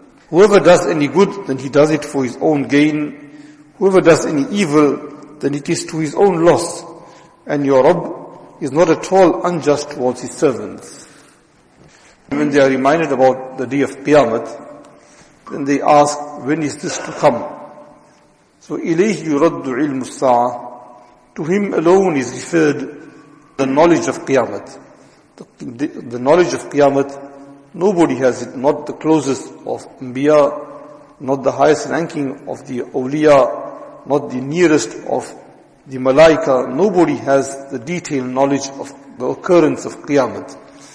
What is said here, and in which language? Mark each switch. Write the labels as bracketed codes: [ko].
[en] Whoever does any good, then he does it for his own gain. Whoever does any evil, then it is to his own loss. And your Rabb is not at all unjust towards his servants. When they are reminded about the day of Qiyamah, then they ask, when is this to come? [ar] So, إِلَيْهِ يُرَدُّ عِلْمُ السَّاعَةِ. [en] To him alone is referred the knowledge of Qiyamah. The knowledge of Qiyamah, nobody has it, not the closest of Anbiya, not the highest ranking of the Awliya, not the nearest of the Malaika, nobody has the detailed knowledge of the occurrence of Qiyamah.